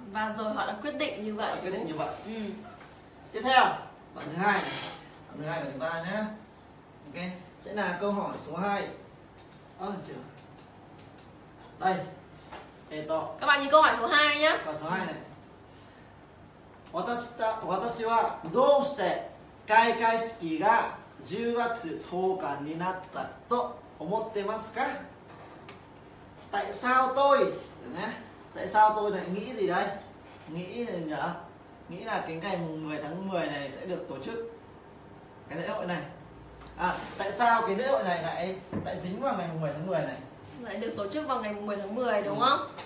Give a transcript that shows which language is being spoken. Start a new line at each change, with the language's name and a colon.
Vietnamese: Và rồi họ đã quyết định như vậy. Quyết định như vậy. Ừ. Tiếp theo, đoạn thứ hai. Đoạn thứ hai của chúng ta nhé. Ok, sẽ là câu hỏi số 2. Đây. Các bạn nhìn câu hỏi số 2 nhé. Câu hỏi số 2 này.
Japanese: 私はどうして開会式が10月10日になったと思ってますか？
Vietnamese: Tại sao tôi nhé? Tại sao tôi lại nghĩ gì đây? Nghĩ gì nhỉ? Nghĩ là cái ngày mùng 10 tháng 10 này sẽ được tổ chức cái lễ hội này. À, tại sao cái lễ hội này lại dính vào ngày mùng 10 tháng 10 này? Lại được tổ chức vào ngày mùng 10 tháng 10 đúng không?